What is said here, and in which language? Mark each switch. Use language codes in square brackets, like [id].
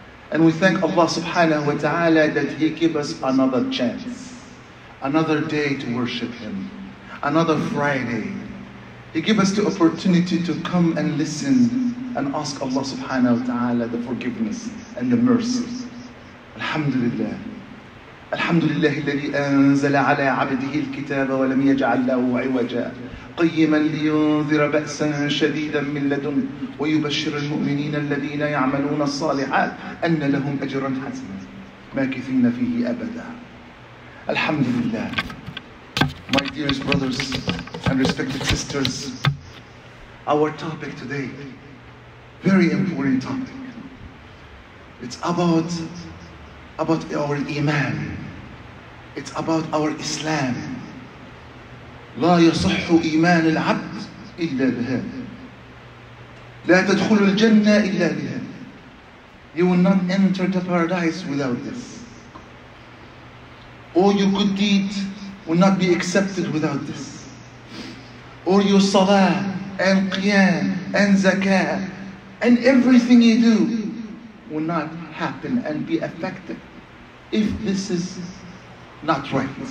[en] And we thank Allah subhanahu wa ta'ala that He gave us another chance. Another day to worship Him. Another Friday. He gave us the opportunity to come and listen and ask Allah subhanahu wa ta'ala the forgiveness and the mercy. Alhamdulillah. [ar] Alhamdulillah الذي أنزل على عبده الكتاب ولم يجعل له عوجا قيما لينذر بأسا شديدا من لدن ويبشر المؤمنين الذين يعملون الصالحات أن لهم أجرا حسنا ماكثين فيه أبدا. [en] Alhamdulillah, my dearest brothers and respected sisters, our topic today, very important topic, it's about our Iman, it's about our Islam. [ar] لا يصح إيمان العبد إلا بها لا تدخل الجنة إلا بها. [en] You will not enter the paradise without this. All your good deeds will not be accepted without this. All your salah and qiyam and zakah and everything you do will not happen and be effective if this is not right.